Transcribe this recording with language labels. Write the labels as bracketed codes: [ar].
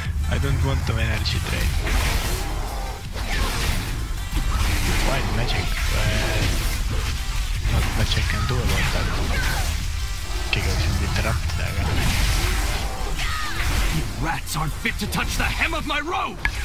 [en] I don't want to energy drain. Wild magic, but... Not magic can do about that. [et] Keegi võiks nüüd interruptida, aga... [en] You rats aren't fit to touch the hem of my robe!